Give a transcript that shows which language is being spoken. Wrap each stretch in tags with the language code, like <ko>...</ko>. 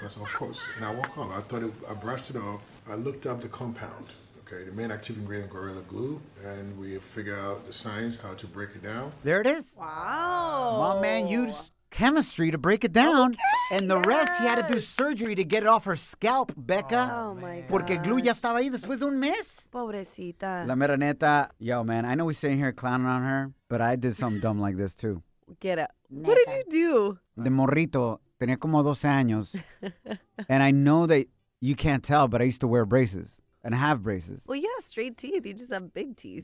<en>I said, of course. And I walked home. I brushed it off. I looked up the compound. Okay, the main active ingredient, Gorilla Glue, and we figure out the science, how to break it down. There it is. Wow. My man used chemistry to break it down. Okay. And the rest, he had to do surgery to get it off her scalp, Becca. Oh, my God.</en> <es>Porque glue ya estaba ahí después de un mes. Pobrecita. La mera neta.</es> <en>Yo, man, I know we're sitting here clowning on her, but I did something dumb like this, too. Get up. What did you do?</en> <es>De morrito, tenía como 12 años.</es> <en>And I know that you can't tell, but I used to wear braces. And have braces. Well, you have straight teeth. You just have big teeth.</en>